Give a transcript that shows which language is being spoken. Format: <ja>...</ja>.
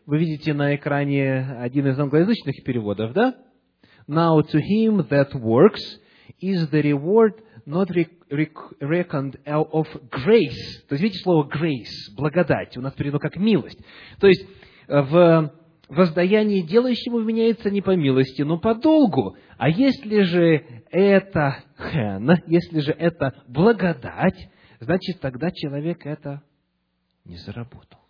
<ru>Вы видите на экране один из англоязычных переводов, да?</ru> <en>Now to him that works is the reward not reckoned of grace.</en> <ru>То есть, видите слово grace, благодать, у нас переведено как милость. То есть, в воздаянии делающему вменяется не по милости, но по долгу. А если же это хен, если же это благодать, значит, тогда человек это не заработал.</ru>